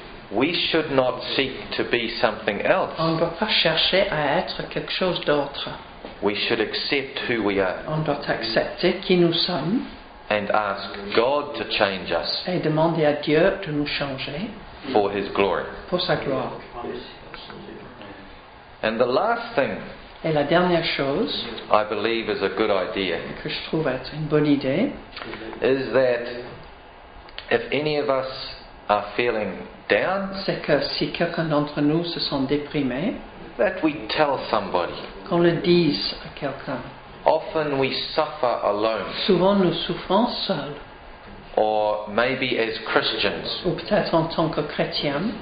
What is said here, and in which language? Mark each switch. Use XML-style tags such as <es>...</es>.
<en>We should not seek to be something else.</en> <fr>On ne doit pas chercher à être quelque chose d'autre.</fr> <en>We should accept who we are.</en> <fr>On doit accepter qui nous sommes.</fr> <en>And ask God to change us.</en> <fr>Et demander à Dieu de nous changer.</fr> <en>For his glory.</en> <fr>Pour sa gloire.</fr> <en>And the last thing.</en> <fr>Et la dernière chose.</fr> <en>I believe is a good idea.</en> <fr>Que je trouve être une bonne idée.</fr> <en>Is that if any of us are feeling down.</en> <fr>C'est que si quelqu'un d'entre nous se sent déprimé.</fr> <en>That we tell somebody.</en> <fr>Qu'on le dise à quelqu'un.</fr> <en>Often we suffer alone.</en> <fr>Souvent nous souffrons seuls.</fr> <en>Or maybe as Christians.</en> <fr>Ou peut-être en tant que chrétien.</fr>